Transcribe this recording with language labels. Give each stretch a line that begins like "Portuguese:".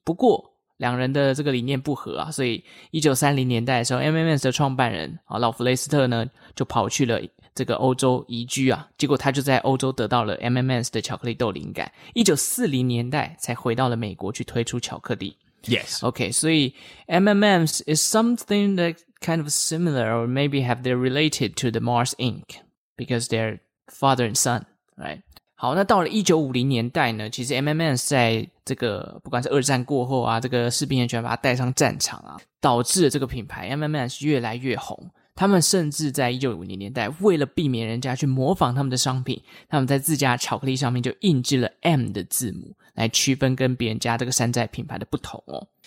Chinese: 不过两人的这个理念不合啊，所以1930年代的时候 ，M&M's 的创办人老弗雷斯特呢，就跑去了这个欧洲移居啊。结果他就在欧洲得到了 M&M's 的巧克力豆灵感。1940年代才回到了美国去推出巧克力。
English: Yes. Okay, so M&M's is something that kind of similar or maybe have they're related to the Mars Inc. Because they're father and son, right?
Chinese: 好，那到了1950年代呢，其实 M&M's 在这个不管是二战过后啊，这个士兵也喜欢把它带上战场啊，导致了这个品牌 M&M's 越来越红。他们甚至在1950年代为了避免人家去模仿他们的商品，他们在自家巧克力上面就印制了 M 的字母，来区分跟别人家这个山寨品牌的不同哦。